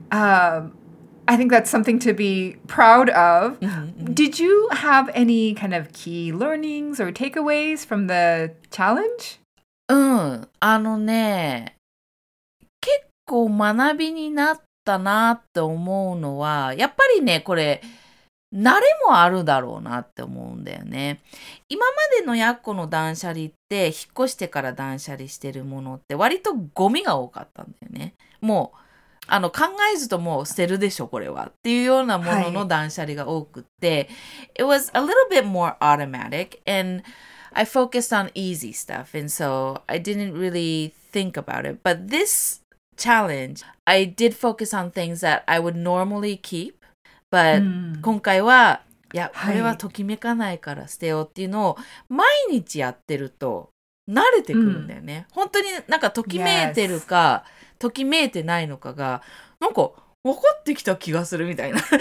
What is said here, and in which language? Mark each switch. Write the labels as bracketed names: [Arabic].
[English] I think that's something to be proud of. Did you have any kind of key learnings or takeaways from the challenge? [Japanese] あのね、結構学びになったなって思うのは、やっぱりね、これ、慣れもあるだろうなって思うんだよね。今までのやっこの断捨離って、引っ越してから断捨離してるものって割とゴミが多かったんだよね。もう、考えずともう捨てるでしょ、これは。っていうようなものの断捨離が多くって、はい、 [English] It was a little bit more automatic and I focused on easy stuff and so I didn't really think about it. But this challenge, I did focus on things that I would normally keep. [Japanese] But、うん、今回は、いや、これはときめかないから捨てようっていうのを、はい、毎日やってると慣れてくるんだよね。うん、本当になんかときめいてるか、yes. ときめいてないのかが、なんか分かってきた気がするみたいな。